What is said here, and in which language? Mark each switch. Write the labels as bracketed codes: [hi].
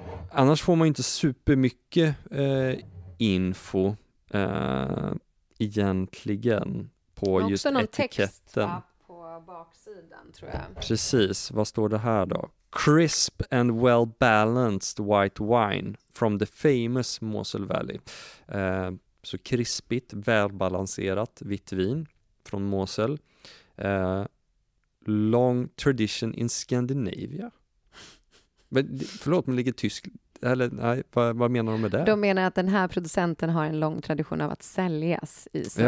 [sv] Annars får man ju inte supermycket info egentligen. På just också någon etiketten. Text på baksidan, tror jag. Precis, vad står det här då? [en] Crisp and well balanced white wine from the famous Mosel Valley. [sv] Så krispigt, välbalanserat vitt vin från Mosel. [en] Long tradition in Scandinavia. [sv] Men, förlåt, men ligger tysk... Eller, nej, vad menar de med det? De menar att den här producenten har en lång tradition av att säljas i Sverige.